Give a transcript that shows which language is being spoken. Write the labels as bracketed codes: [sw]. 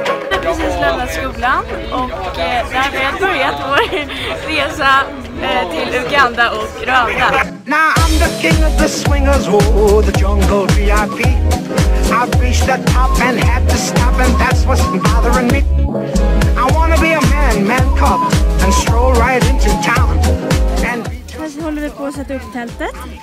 [sv] Vi har precis lämnat skolan och där vi har börjat vår resa till Uganda och Rwanda. [en] Now I'm the king of the swingers, oh, the jungle VIP. I've reached the top and had to stop and that's what's bothering me. I wanna be a man cop and stroll right into town. [sv] Men så håller vi på att sätta upp tältet.